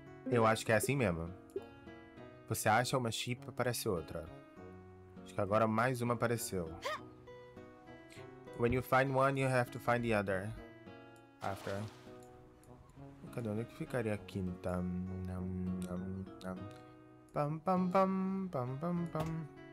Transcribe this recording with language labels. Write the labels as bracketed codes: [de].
[pt] Eu acho que é assim mesmo. Você acha uma sheep, aparece outra. Acho que agora mais uma apareceu. [en] When you find one, you have to find the other. After. [pt] Cadê? Onde é que ficaria a quinta? Nam, nam, nam. Pam, pam, pam, pam, pam, pam.